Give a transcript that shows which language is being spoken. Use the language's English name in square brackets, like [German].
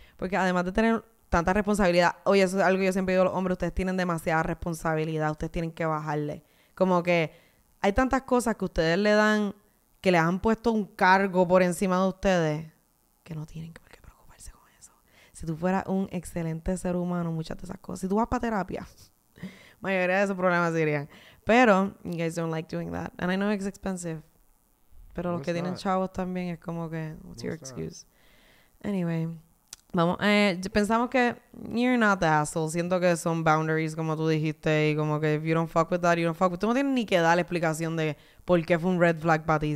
[Spanish] Porque además de tener tanta responsabilidad, oye, eso es algo que yo siempre digo a los hombres, ustedes tienen demasiada responsabilidad, ustedes tienen que bajarle. Como que hay tantas cosas que ustedes le dan, que les han puesto un cargo por encima de ustedes, que no tienen por qué preocuparse con eso. Si tú fueras un excelente ser humano, muchas de esas cosas, si tú vas para terapia, mayoría de esos problemas irían. [English] Pero, you guys don't like doing that. And I know it's expensive. [Spanish] Pero los que tienen chavos también es como que, [English] what's your excuse? [Spanish] Anyway, vamos, pensamos que [English] you're not the asshole. [Spanish] Siento que son boundaries, como tú dijiste, y como que [English] if you don't fuck with [Spanish] that, you don't fuck with. Tú no tienes ni que dar la explicación de por qué fue un red flag para ti.